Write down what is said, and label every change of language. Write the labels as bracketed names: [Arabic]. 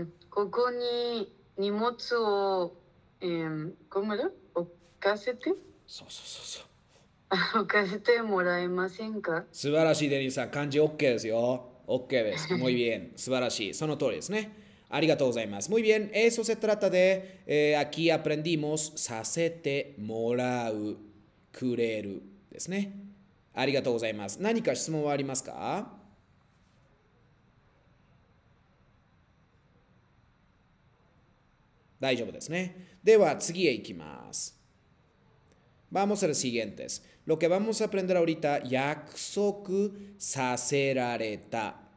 [Japanese] ここに荷物を、ここまで置かせてもらえませんか？素晴らしい、デニーさん。漢字 OK ですよ。OK です。もういいえ。素晴らしい。その通りですね。ありがとうございます。 [Spanish] Muy bien, eso se trata de, aquí aprendimos, [Japanese] させてもらう、くれるですね。ありがとうございます。何か質問はありますか？大丈夫ですね。では、次へ行きます。 [Spanish] Vamos a los siguientes. Lo que vamos a aprender ahorita, yakusoku saserareta.